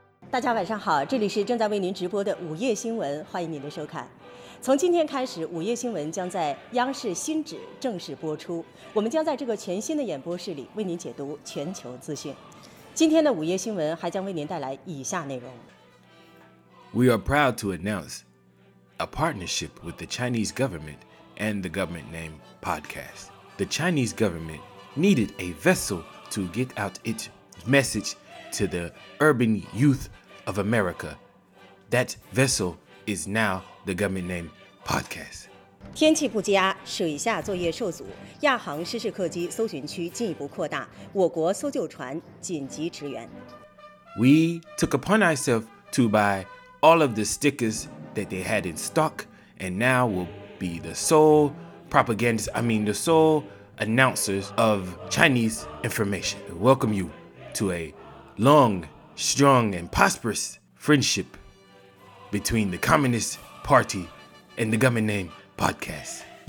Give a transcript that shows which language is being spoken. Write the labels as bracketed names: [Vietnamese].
[Chinese] 大家晚上好，这里是正在为您直播的午夜新闻，欢迎您的收看。从今天开始，午夜新闻将在央视新址正式播出，我们将在这个全新的演播室里为您解读全球资讯。今天的午夜新闻还将为您带来以下内容。 [English] We are proud to announce a partnership with the Chinese government and the government name podcast. The Chinese government needed a vessel to get out its message to the urban youth of America. That vessel is now the government name podcast. [Chinese] 天气不佳，水下作业受阻，亚航失事客机搜寻区进一步扩大，我国搜救船紧急驰援。 [English] We took upon ourselves to buy all of the stickers that they had in stock, and now will be the sole announcers of Chinese information. We welcome you to a long, strong, and prosperous friendship between the Communist Party and the government name podcast.